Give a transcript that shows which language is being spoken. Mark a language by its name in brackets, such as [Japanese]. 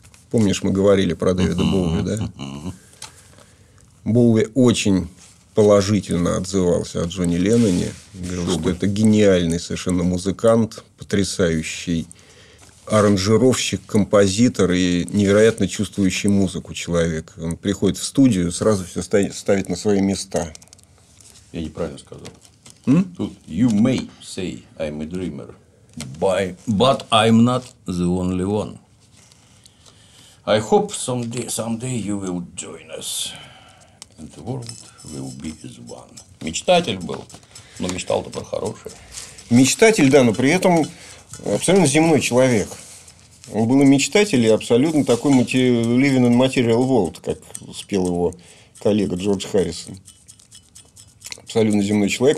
[Russian] Помнишь, мы говорили про Дэвида Боуи, да? Боуи очень положительно отзывался о Джоне Ленноне. Говорил, что это гениальный совершенно музыкант, потрясающий аранжировщик, композитор и невероятно чувствующий музыку человек. Он приходит в студию, сразу все ставит на свои места. Я неправильно сказал. Тут [English] you may say I'm a dreamer, but I'm not the only one. I hope someday you will join us, and the world will be as one. [Russian] Мечтатель был, но мечтал-то про хорошее. Мечтатель, да, но при этом абсолютно земной человек. Он был и мечтатель, и абсолютно такой [English] living in material world, [Russian] как спел его коллега Джордж Харрисон. Абсолютно земной человек.